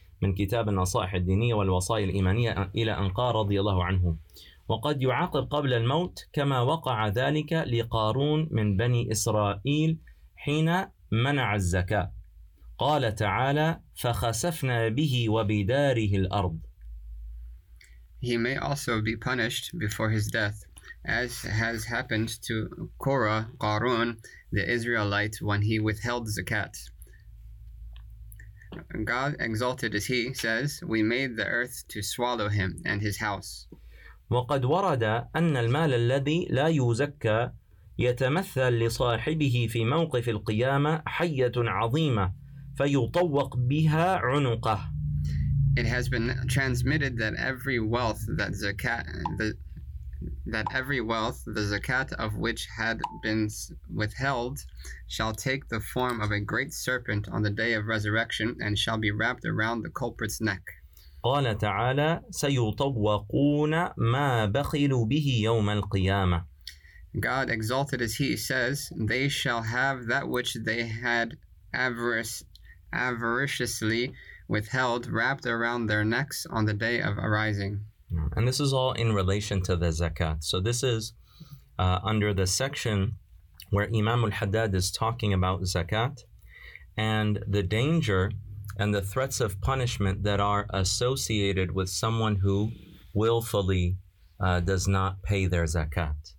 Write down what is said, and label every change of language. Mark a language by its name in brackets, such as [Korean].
[Arabic] من كتاب النصائح الدينية والوصايا الإيمانية إلى أن قال رضي الله عنه وقد يعاقب قبل الموت كما وقع ذلك لقارون من بني إسرائيل حين منع الزكاة قال تعالى فخسفنا به وبداره الأرض. [English] He may also be punished before his death, as has happened to Korah, Qarun, the Israelite, when he withheld zakat. God exalted as He says, we made the earth to swallow him and his house. [Arabic] وقد ورد أن المال الذي لا يزكى يتمثل لصاحبه في موقف القيامة حية عظيمة فيطوق بها عنقه. [English] It has been transmitted that every wealth the zakat of which had been withheld shall take the form of a great serpent on the day of resurrection and shall be wrapped around the culprit's neck. [Arabic] قال تعالى سيطوقون ما بخلوا به يوم القيامة. [English] God exalted as He says, they shall have that which they had avariciously withheld wrapped around their necks on the day of arising. And this is all in relation to the zakat. So this is under the section where Imam al-Haddad is talking about zakat and the danger and the threats of punishment that are associated with someone who willfully does not pay their zakat.